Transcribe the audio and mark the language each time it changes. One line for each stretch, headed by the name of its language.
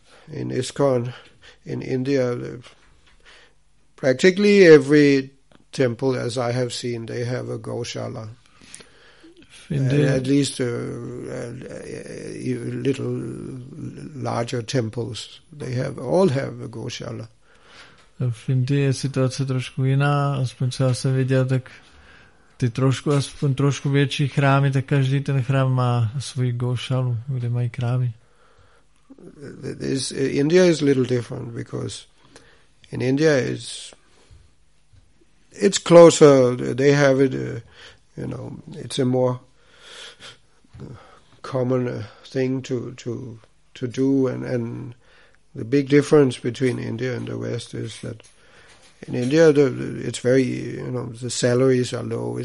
English: In ISKCON, in India, practically every temple, as I have seen, they have a goshala. At least little larger temples, they all have a goshala.
Czech: V Indii je situace trošku jiná, aspoň co já jsem viděl, tak ty trošku, aspoň trošku větší chrámy, tak každý ten chrám má svůj gošalu, kde mají krávy.
English: India is a little different, because in India it's closer, they have it, it's a more common thing to do, and the big difference between India and the West is that in India it's very, the salaries are low.